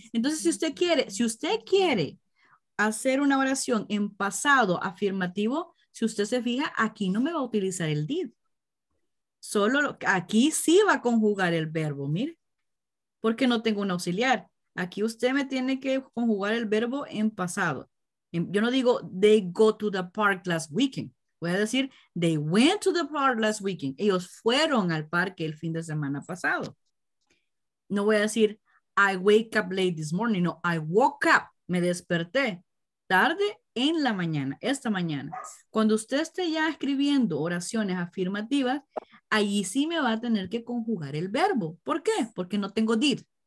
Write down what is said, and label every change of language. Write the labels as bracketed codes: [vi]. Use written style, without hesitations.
[es] Entonces, si usted quiere hacer una oración en pasado afirmativo, si usted se fija, aquí no me va a utilizar el did. Solo aquí sí va a conjugar el verbo, mire, porque no tengo un auxiliar. Aquí usted me tiene que conjugar el verbo en pasado. Yo no digo [en] they go to the park last weekend. [es] Voy a decir [en] they went to the park last weekend. [es] Ellos fueron al parque el fin de semana pasado. No voy a decir [en] I wake up late this morning. [es] No, [en] I woke up. [es] Me desperté tarde en la mañana, esta mañana. Cuando usted esté ya escribiendo oraciones afirmativas, allí sí me va a tener que conjugar el verbo. ¿Por qué? Porque no tengo did.